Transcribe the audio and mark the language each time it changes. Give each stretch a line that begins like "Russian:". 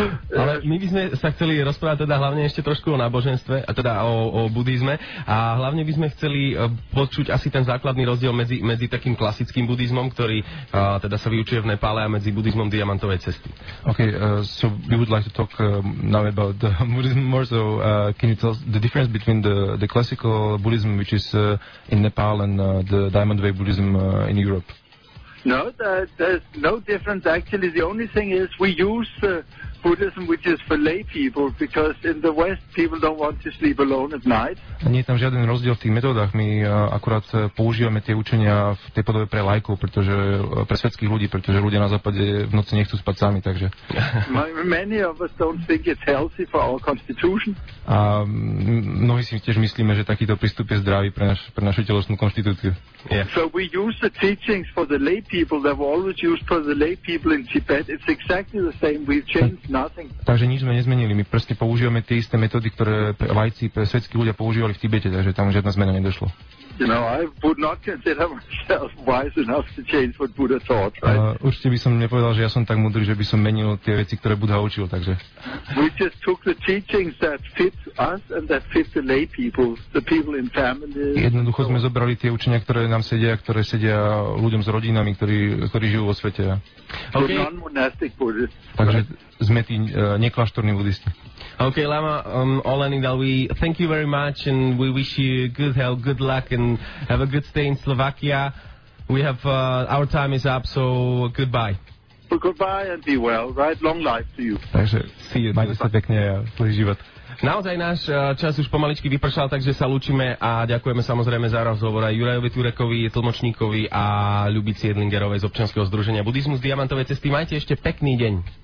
Slovak: Ale my by sme sa chceli rozprávať teda hlavne ešte trošku o náboženstve, a teda o buddhizme, a hlavne by sme chceli počuť asi ten základný rozdiel medzi takým klasickým buddhizmom, ktorý teda sa vyučuje v Nepále, a medzi buddhizmom diamantovým.
English: Okay, so we would like to talk now about the Buddhism more. So can you tell us the difference between the classical Buddhism, which is in Nepal, and the Diamond Way Buddhism in Europe? No, there's no difference, actually. The only thing is we use Buddhism, which is for lay people, because in the West people don't want to sleep alone at night.
Slovak: A nie je tam žiaden rozdiel v tých metódach. My akurát používame tie učenia v tej podobe pre lajkov, pretože pre svetských ľudí, pretože ľudia na západe v noci nechcú spať sami, takže...
English: Many of us don't think it's healthy for our constitution.
Slovak: A mnohí si tiež myslíme, že takýto prístup je zdravý pre našu telesnú konštitúciu.
English: Yeah. So we use the teachings for the lay people that were always used for the lay people in Tibet. It's exactly the same. We've changed nothing.
Slovak: Takže nič sme nezmenili. My proste používame tie isté metódy, ktoré lajci, svetskí ľudia používali v Tibete, takže tam žiadna zmena nedošlo.
English: You know, I would not consider myself wise enough to change what Buddha taught, right?
Slovak: Určite by som nepovedal, že ja som tak múdry, že by som menil tie veci, ktoré Buddha učil, takže...
English: We just took the teachings that fit us and that fit the lay people, the people in families...
Slovak: Jednoducho sme zobrali tie učenia, ktoré nám sedia, ktoré sedia ľuďom s rodinami, ktorí žijú vo svete.
English: Okay. So non-monastic Buddhists.
Slovak: Takže sme tí nekláštorní buddhisti.
English: Okay, Lama Olenidal, we thank you very much and we wish you good health, good luck, and have a good stay in Slovakia. We have our time is up, so goodbye. Well, goodbye and be well, right? Long life to you.
Slovak: Takže,
English: see you.
Slovak: Majte sa pekne a zlý život. Naozaj náš čas už pomaličky vypršal, takže sa lúčime a ďakujeme samozrejme za rozhovor aj Jurajovi Turekovi, tlmočníkovi a Ľubici Edlingerovej z občianskeho združenia Buddhizmus Diamantovej cesty. Majte ešte pekný deň.